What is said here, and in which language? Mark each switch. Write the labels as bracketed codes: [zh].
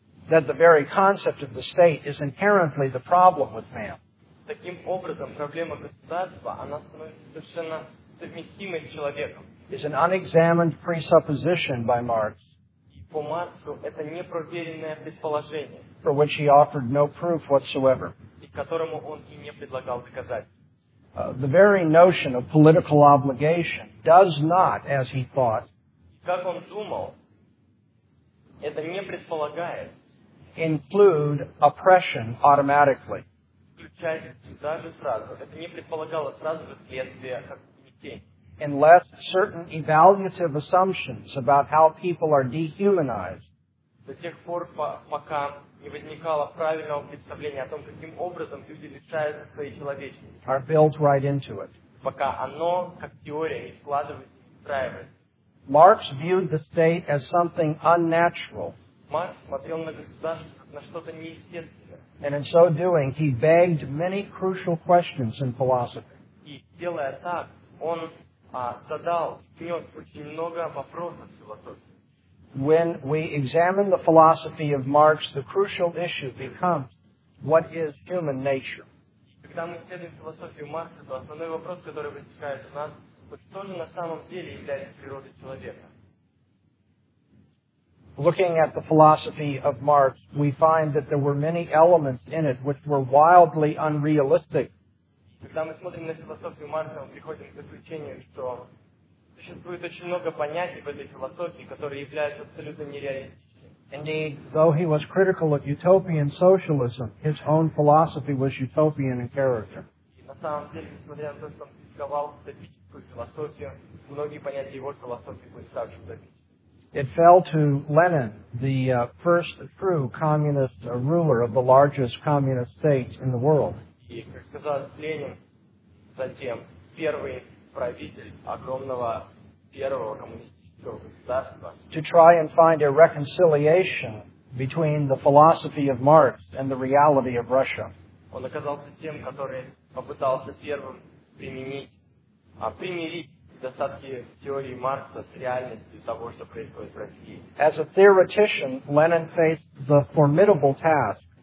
[en] that the very concept of the state is inherently the problem with man. [ru] Таким образом, проблема государства, она становится совершенно совместимой с человеком. [en] Is an unexamined presupposition by Marx. [ru] И по Марксу это непроверенное предположение. [en] For which he offered no proof whatsoever. [ru] И которому он и не предлагал доказательств. [en] The very notion of political obligation does not, as he thought, [ru] как он думал, это не предполагает [en] include oppression automatically. [ru] Это не предполагало сразу же следствие как угнетение. [en] Unless certain evaluative assumptions about how people are dehumanized. [ru] До тех пор, пока не возникало правильного представления о том, каким образом люди лишаются своей человечности. [en] Are built right into it. [ru] Пока оно, как теория, не складывается, не встраивается. [en] Marx viewed the state as something unnatural. [ru] Марк смотрел на государство на что-то неестественное. [en] And in so doing, he begged many crucial questions in philosophy. [ru] И делая так, он поднял очень много вопросов в философии. [en] When we examine the philosophy of Marx, the crucial issue becomes, what is human nature? [ru] Когда мы исследуем философию Маркса, то основной вопрос, который возникает у нас, что же на самом деле является природой человека? [en] Looking at the philosophy of Marx, we find that there were many elements in it which were wildly unrealistic. [ru] Когда мы смотрим на философию Маркса, мы приходим к заключению, что существует очень много понятий в этой философии, которые являются абсолютно нереалистичными. [en] Indeed, though he was critical of utopian socialism, his own philosophy was utopian in character. [ru] И на самом деле, несмотря на то, что он критиковал философию, многие понятия его философии были также [en] It fell to Lenin, the first true communist ruler of the largest communist state in the world. [ru] И, как сказалось, Ленин затем первый правитель огромного первого коммунистического государства. [en] To try and find a reconciliation between the philosophy of Marx and the reality of Russia. [ru] Он оказался тем, который попытался первым применить примирить достатки теории Маркса с реальностью того, что происходит в России. [en] As a theoretician, Lenin faced the formidable task.